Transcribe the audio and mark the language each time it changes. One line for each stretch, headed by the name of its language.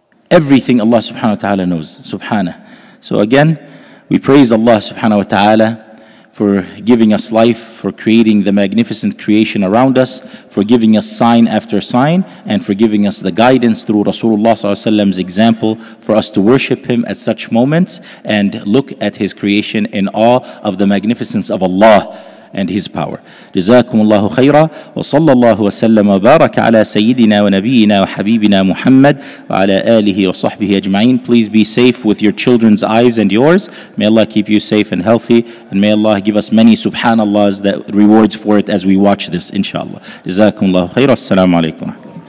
English: Everything Allah subhanahu wa ta'ala knows, subhanah. So again, we praise Allah subhanahu wa ta'ala for giving us life, for creating the magnificent creation around us, for giving us sign after sign, and for giving us the guidance through Rasulullah sallallahu alaihi wasallam's example for us to worship Him at such moments and look at His creation in awe of the magnificence of Allah and His power.
Arabic: جزاكم الله خيرا وصلى الله وسلم وبارك على سيدنا ونبينا وحبيبنا محمد وعلى آله وصحبه أجمعين.
English: Please be safe with your children's eyes and yours. May Allah keep you safe and healthy, and may Allah give us many subhanallahs that rewards for it as we watch this, inshallah.
Arabic: جزاكم الله خيرا. السلام عليكم.